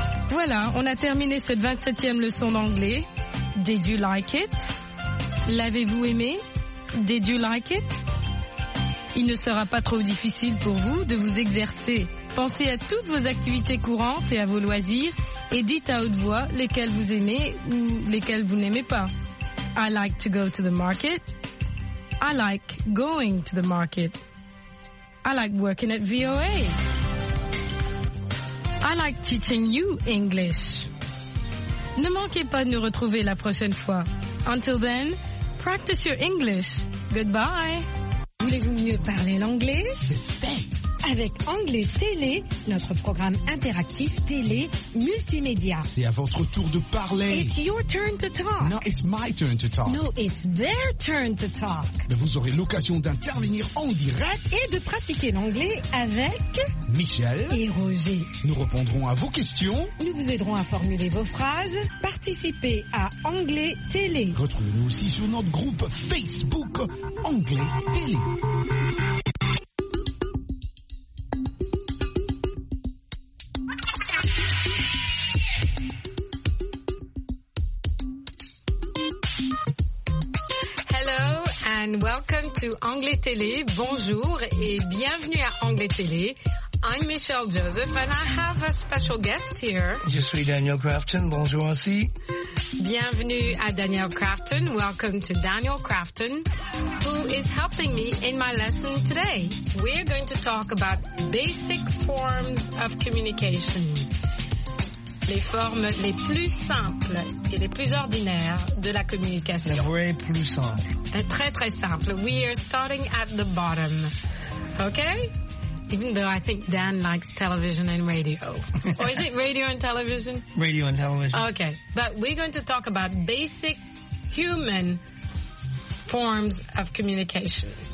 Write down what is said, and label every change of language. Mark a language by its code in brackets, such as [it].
[fr] Voilà, on a terminé cette 27e leçon d'anglais. [en] Did you like it? [fr] L'avez-vous aimé? [en] Did you like it? [fr] Il ne sera pas trop difficile pour vous de vous exercer. Pensez à toutes vos activités courantes et à vos loisirs et dites à haute voix lesquelles vous aimez ou lesquelles vous n'aimez pas. [en] I like to go to the market. I like going to the market. I like working at VOA. I like teaching you English. [fr] Ne manquez pas de nous retrouver la prochaine fois. [en] Until then, practice your English. Goodbye. [fr] Voulez-vous mieux parler l'anglais? C'est fait. Avec Anglais Télé, notre programme interactif télé multimédia. C'est à votre tour de parler. [en] It's your turn to talk. No, it's my turn to talk. No, it's their turn to talk. [fr] Mais vous aurez l'occasion d'intervenir en direct et de pratiquer l'anglais avec Michel et Roger. Nous répondrons à vos questions. Nous vous aiderons à formuler vos phrases. Participez à Anglais Télé. Retrouvez-nous aussi sur notre groupe Facebook Anglais Télé. [en] And welcome to Anglais Télé. [fr] Bonjour et bienvenue à Anglais Télé. [en] I'm Michelle Joseph and I have a special guest here. [fr] Je suis Daniel Crafton. Bonjour aussi. Bienvenue à Daniel Crafton. [en] Welcome to Daniel Crafton, who is helping me in my lesson today. We're going to talk about basic forms of communication. [fr] Les formes les plus simples et les plus ordinaires de la communication. Les vraies plus simples. Très, très simple. [en] We are starting at the bottom. Okay? Even though I think Dan likes television and radio. Or is it radio and television? Radio and television. Okay. But we're going to talk about basic human forms of communication.